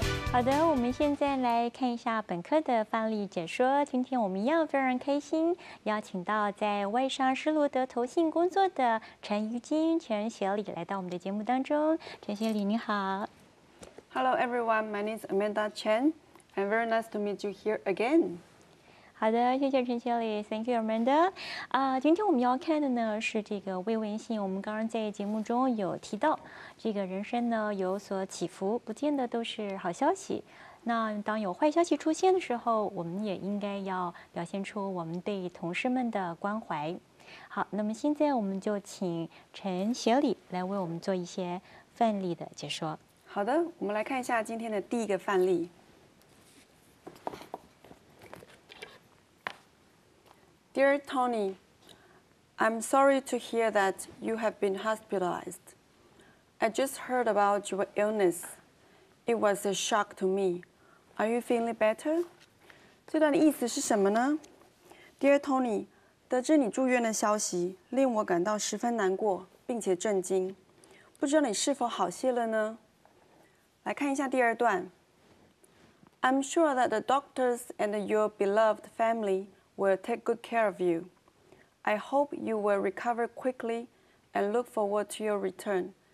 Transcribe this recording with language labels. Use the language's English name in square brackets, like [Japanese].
[Chinese] 好的，我们现在来看一下本课的范例解说。今天我们一样非常开心，邀请到在外商施罗德投信工作的陈于金、陈学礼来到我们的节目当中。陈学礼，你好。 [English] Hello, everyone. My name is Amanda Chen. And very nice to meet you here again. [Chinese] 好的，谢谢陈学礼。 Thank you, Amanda. 今天我们要看的呢是这个慰问信。我们刚刚在节目中有提到。这个人生呢有所起伏，不见得都是好消息。那当有坏消息出现的时候，我们也应该要表现出我们对同事们的关怀。好，那么现在我们就请陈学礼来为我们做一些范例的解说。好的，我们来看一下今天的第一个范例。 [English] Dear Tony, I'm sorry to hear that you have been hospitalized. I just heard about your illness. It was a shock to me. [Chinese] Are you feeling better? 这段的意思是什么呢 ？Dear Tony, 得知你住院的消息令我感到十分难过，并且震惊。不知道你是否好些了呢？来看一下第二段。 [English] I'm sure that the doctors and your beloved family will take good care of you. I hope you will recover quickly and look forward to your return.